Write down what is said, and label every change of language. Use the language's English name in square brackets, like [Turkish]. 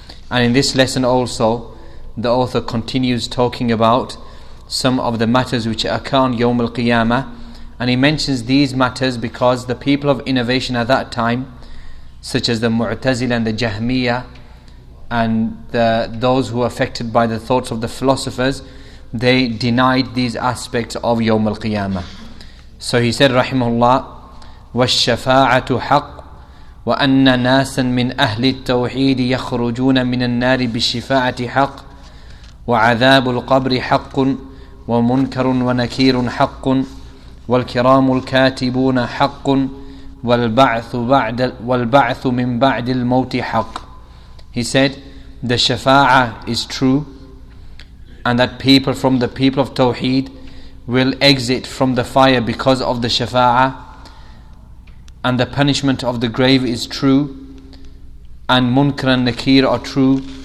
[English] And in this lesson also, the author continues talking about some of the matters which occur on Yawm al-Qiyamah, and he mentions these matters because the people of innovation at that time, such as the Mu'tazila and the Jahmiya, and those who were affected by the thoughts of the philosophers, they denied these aspects of Yawm al-Qiyamah. So he said, rahimahullah, [Arabic] وَالشَّفَاعَةُ حَقٌّ وَأَنَّ نَاسًا مِنْ أَهْلِ التَّوْحِيدِ يَخْرُجُونَ مِنَ النَّارِ بِالشِّفَاعَةِ حَقٌّ وَعَذَابُ الْقَبْرِ حَقٌّ ومنكر ونكير حق والكرام الكاتبون حق والبعث من بعد الموت حق. [English] He said, the shafa'a is true, and that people from the people of Tawheed will exit from the fire because of the shafa'a, and the punishment of the grave is true, and munkar and nakir are true.